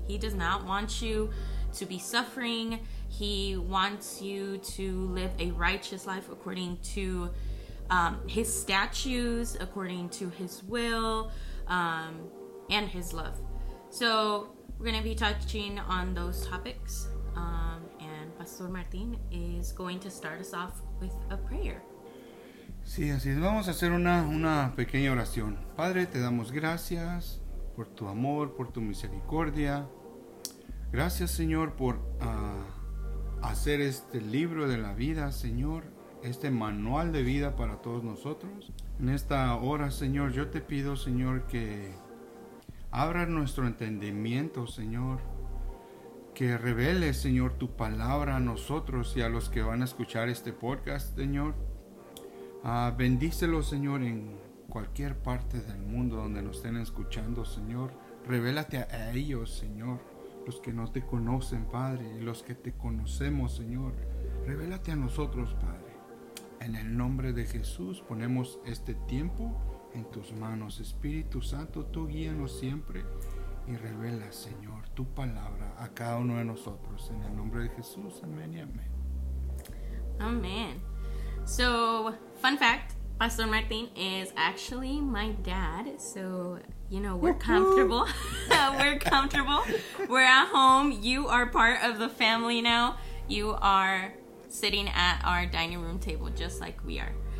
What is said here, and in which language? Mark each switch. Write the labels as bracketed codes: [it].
[en] He does not want you to be suffering. He wants you to live a righteous life according to his statutes, according to his will, and his love. So we're going to be touching on those topics. And Pastor Martin is going to start us off with a prayer. [es] Sí, así es. Vamos a hacer una pequeña oración. Padre, te damos gracias por tu amor, por tu misericordia. Gracias, Señor, por hacer este libro de la vida, Señor, este manual de vida para todos nosotros. En esta hora, Señor, yo te pido, Señor, que abra nuestro entendimiento, Señor, que revele, Señor, tu palabra a nosotros y a los que van a escuchar este podcast, Señor. Bendícelo, Señor, en cualquier parte del mundo donde nos estén escuchando, Señor. Revélate a ellos, Señor, los que no te conocen, Padre, y los que te conocemos, Señor. Revélate a nosotros, Padre. En el nombre de Jesús ponemos este tiempo en tus manos. Espíritu Santo, tú guíanos siempre y revela, Señor, tu palabra a cada uno de nosotros. En el nombre de Jesús, amén y amén. Amén. [en] So, fun fact, Pastor Martin is actually my dad, so, you know, we're comfortable. We're comfortable. We're at home. You are part of the family now. You are sitting at our dining room table just like we are.